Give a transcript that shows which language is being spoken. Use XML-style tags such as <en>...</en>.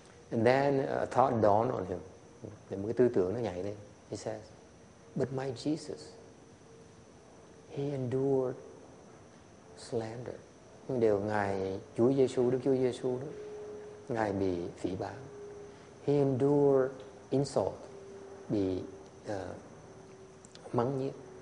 <en>And then a thought dawned on him.</en> <vi>Một cái tư tưởng nó nhảy lên.</vi> <en>He says, but my Jesus, he endured slander.</en> <vi>Điều Ngài Chúa Giê-xu, Đức Chúa Giê-xu đó, Ngài bị phỉ báng.</vi> <en>He endured insult,</en> <vi>bị mắng nhiếc.</vi>